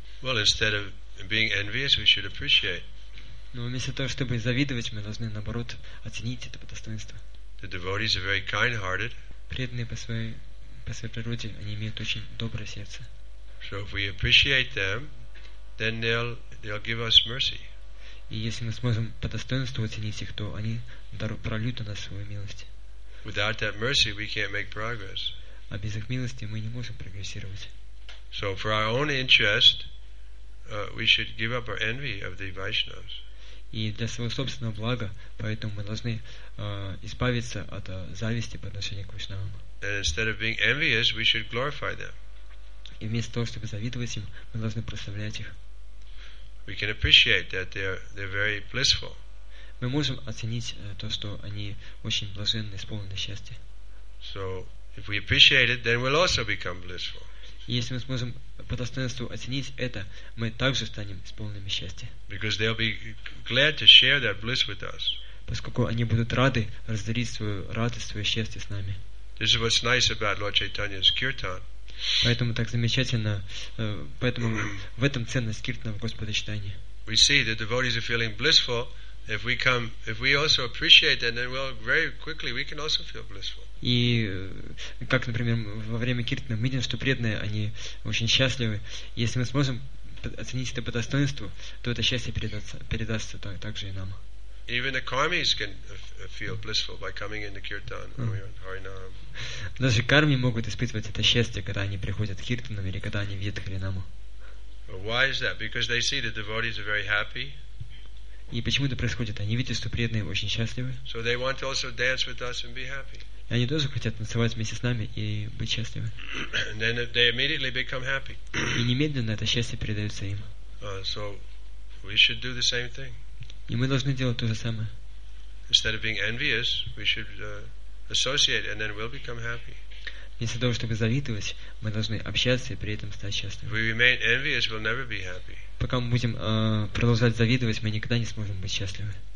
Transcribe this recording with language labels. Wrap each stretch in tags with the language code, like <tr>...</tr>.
<en>Well, instead of being envious, we should appreciate.</en> <ru>Но вместо того, чтобы завидовать, мы должны наоборот оценить это по достоинству.</ru> <en>The devotees are very kind-hearted.</en> <ru>Преданные по своей природе, они имеют очень доброе сердце.</ru> <en>So if we appreciate them, then they'll give us mercy.</en> <ru>И если мы сможем по достоинству оценить их, то они прольют на нас свою милость.</ru> <en>Without that mercy, we can't make progress.</en> <ru>А без их милости мы не можем прогрессировать.</ru> <en>So for our own interest, we should give up our envy of the Vaishnavas.</en> <ru>И для своего собственного блага, поэтому мы должны избавиться от зависти по отношению к Вайшнавам.</ru> <en>And instead of being envious, we should glorify them.</en> <ru>И вместо того, чтобы завидовать им, мы должны прославлять их.</ru> <en>We can appreciate that they're very blissful.</en> <ru>Мы можем оценить то, что они очень блаженны, исполнены счастья.</ru> <en>So if we appreciate it, then we'll also become blissful.</en> <ru>Если мы сможем по достоинству оценить это, мы также станем исполненными счастья.</ru> <en>Because they'll be glad to share their bliss with us.</en> <ru>Поскольку они будут рады разделить свою радость, свое счастье с нами.</ru> <en>This is what's nice about Lord Chaitanya's kirtan.</en> <ru>Поэтому так замечательно, поэтому в этом ценность киртана Господа Чайтаньи.</ru> <en>We see the devotees are feeling blissful. If we also appreciate that, then well, very quickly we can also feel blissful.</en> <ru>И как, например, во время киртана мы видим, что преданные, они очень счастливы. Если мы сможем оценить это по достоинству, то это счастье передастся также и нам.</ru> <en>Even the karmis can feel blissful by coming into kirtan or harinam.</en> <ru>Даже карми могут испытывать это счастье, когда они приходят в киртану или когда они видят харинаму.</ru> <en>Why is that? Because they see the devotees are very happy.</en> <ru>И почему это происходит? Они видят, что преданные очень счастливы.</ru> <en>So they want to also dance with us and be happy.</en> <ru>Они тоже хотят танцевать вместе с нами и быть счастливы.</ru> <en>And then they immediately become happy.</en> <ru>И немедленно это счастье передается им.</ru> <en>So we should do the same thing.</en> <ru>И мы должны делать то же самое.</ru> <en>Instead of being envious, we should associate and then we'll become happy.</en> <ru>Вместо того, чтобы завидовать, мы должны общаться и при этом стать счастливыми.</ru> <en>We remain envious, we'll never be happy.</en> <ru>Пока мы будем продолжать завидовать, мы никогда не сможем быть счастливы.</ru>